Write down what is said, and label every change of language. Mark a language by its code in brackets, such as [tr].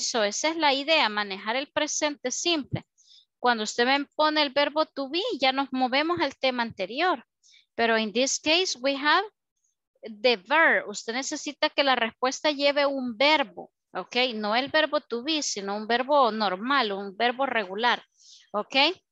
[es] So esa es la idea, manejar el presente simple. Cuando usted me pone el verbo to be, ya nos movemos al tema anterior. Pero [en] in this case, we have the verb. [es] Usted necesita que la respuesta lleve un verbo, ¿ok? No el verbo to be, sino un verbo normal, un verbo regular, ¿ok?